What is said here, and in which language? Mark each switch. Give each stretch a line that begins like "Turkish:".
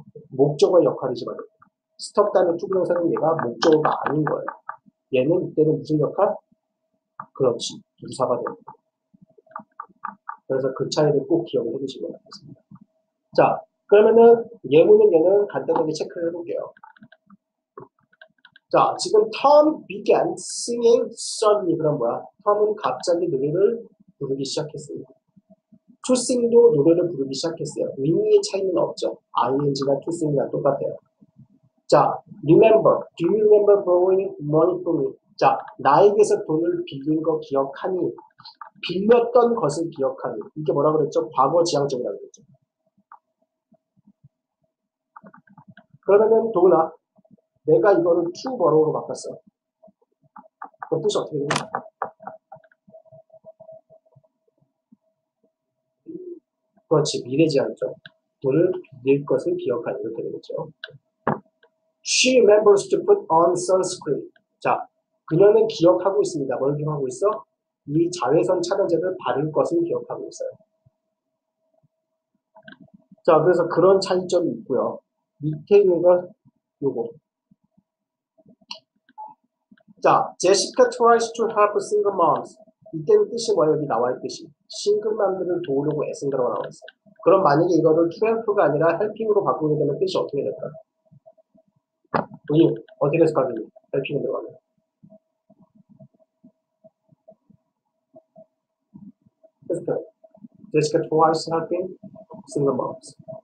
Korean: 목적의 역할이지만 스톱 다음에 투명사는 얘가 목적어가 아닌 거예요. 얘는 이때는 무슨 역할? 그렇지. 부사가 되는 거예요. 그래서 그 차이를 꼭 기억을 해주시면 좋겠습니다. 자, 그러면은 예문은 얘는 간단하게 체크를 해볼게요. 자, 지금
English: Tom began singing suddenly.
Korean: 그럼 뭐야? Tom은 갑자기 노래를 부르기 시작했습니다. To sing도 노래를 부르기 시작했어요. 의미의 차이는 없죠. ing가 to sing이랑 똑같아요. 자, remember.
English: Do you remember borrowing money from me?
Korean: 자, 나에게서 돈을 빌린 거 기억하니? 빌렸던 것을 기억하니? 이게 뭐라 그랬죠? 과거 지향적이라고 그랬죠. 그러면은 도훈아, 내가 이거를 to borrow로 바꿨어. 그 뜻이 어떻게 되냐? 그렇지, 미래지향적. 돈을 빌릴 것을 기억하니? 이렇게 되겠죠.
English: She remembers to put on sunscreen.
Korean: 자, 그녀는 기억하고 있습니다. 뭘 기억하고 있어? 이 자외선 차단제를 바를 것을 기억하고 있어요. 자, 그래서 그런 차이점이 있고요. 밑에 있는 거 요거.
English: 자, Jessica tries to help single moms.
Korean: 이때는 뜻이 뭐예요? 여기 나와 있듯이 싱글맘들을 도우려고 애쓴다라고 나와 있어요. 그럼 만약에 이거를 트램프가 아니라 헬핑으로 바꾸게 되면 뜻이 어떻게 될까요? 우리 어떻게 될까요? 헬핑으로 들어가면
English: Jessica twice helping single moms.